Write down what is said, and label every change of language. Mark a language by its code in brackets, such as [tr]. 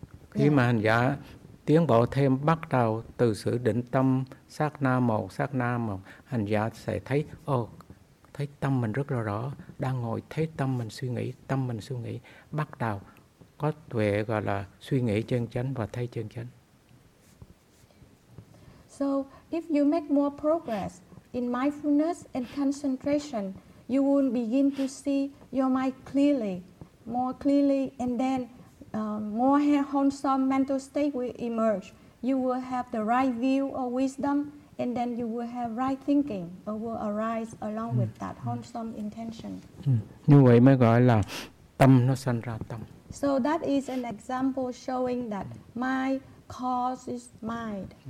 [vi] Khi mà hành giả tiến bộ thêm bắt đầu từ sự định tâm sát na một, hành giả sẽ thấy, thấy tâm mình rất là rõ, đang ngồi thấy tâm mình suy nghĩ, bắt đầu có tuệ gọi là suy nghĩ chân chánh và thấy chân chánh. [en] So, if you make more progress in mindfulness and concentration, you will begin to see your mind clearly, more clearly, and then more wholesome mental state will emerge. You will have the right view or wisdom, and then you will have right thinking or will arise along with that wholesome intention. [vi] Như vậy mới gọi là tâm nó sanh ra tâm. [en] So that is an example showing that mind causes mind.